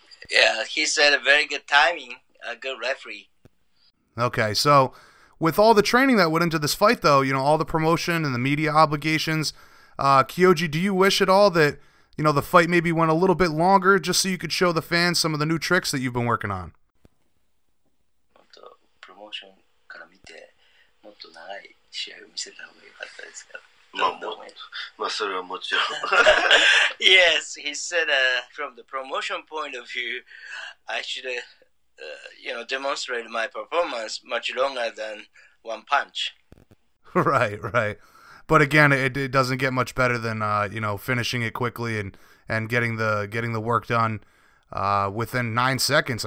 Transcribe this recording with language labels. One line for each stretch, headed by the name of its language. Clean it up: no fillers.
English: Yeah, he said a very good timing, a good referee. Okay, so with all the training that went into this fight, though, you know, all the promotion and the media obligations, Kyoji, do you wish at all that, you know, the fight maybe went a little bit longer just so you could show the fans some of the new tricks that you've been working on? The promotion,
Japanese: から見てもっと長い試合を見せた方が良かったですから。まあそれはもちろん。
English: Yes, he said, from the promotion point of view, I should, you know, demonstrate my performance much longer than one punch. Right, right. But again, it doesn't get much better than you know, finishing it quickly and getting the work done within 9 seconds.